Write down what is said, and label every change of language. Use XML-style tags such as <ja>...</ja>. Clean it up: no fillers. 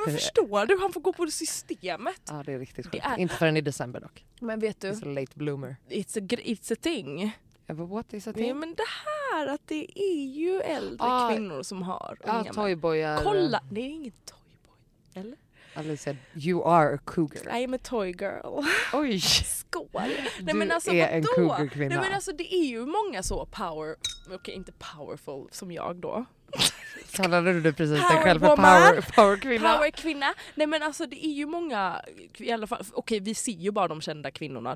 <sv>Men förstår du? Han får gå på det systemet. Ja, det är riktigt sjukt. Inte förrän i december dock. Men vet du?</sv> <en>It's a late bloomer. It's a thing. What is a thing?</en> <sv>Ja, men det här att det är ju äldre kvinnor som har unga män. Toyboy är... Kolla, det är ingen toyboy. Eller?</sv> <en>Alice said, you are a cougar. I am a toy girl.</en> <sv>Oj. Skål. Du men alltså, är en cougar kvinna. Nej men alltså det är ju många så power, okay, inte powerful som jag då. Kallade du precis dig själv för power kvinna? Power kvinna. Nej men alltså det är ju många, i alla fall, okej, vi ser ju bara de kända kvinnorna.</sv>